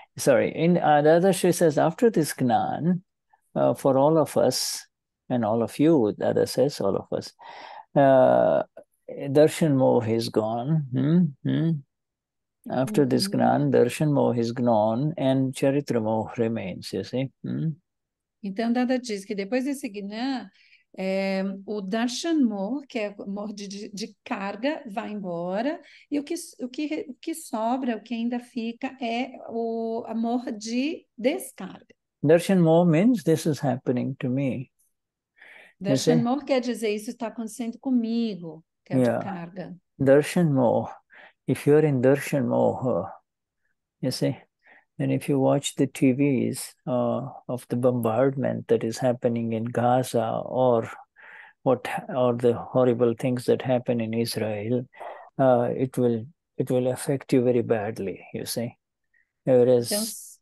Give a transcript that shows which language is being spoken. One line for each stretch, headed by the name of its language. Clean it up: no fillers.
English: In Dada, she says, after this Gnan, for all of us, and all of you, Dada says, all of us, Darshan Moh is gone. Mm-hmm. After this Gnan, Darshan Moh is gone and Charitra Moh remains, you see. Hmm?
Portuguese: Então, Dada diz que depois desse Gnan, o Darshan Moh, que é o Moh de carga, vai embora. E o que sobra, o que ainda fica, é o Moh de descarga.
English: Darshan Moh means this is happening to me.
Portuguese: Darshan Moh quer dizer isso está acontecendo comigo, que é
English: yeah.
Portuguese: de carga.
English: Darshan Moh. If you're in Darshan Moha, you see, And if you watch the TVs of the bombardment that is happening in Gaza, or what are the horrible things that happen in Israel, it will affect you very badly, you see. Whereas yes.